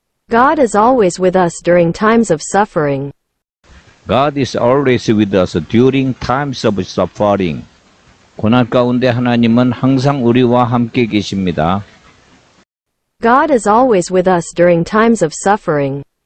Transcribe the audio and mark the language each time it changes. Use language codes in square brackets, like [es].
[en] God is always with us during times of suffering. God is always with us during times of suffering. [ko] 고난 가운데 하나님은 항상 우리와 함께 계십니다. [en] God is always with us during times of suffering.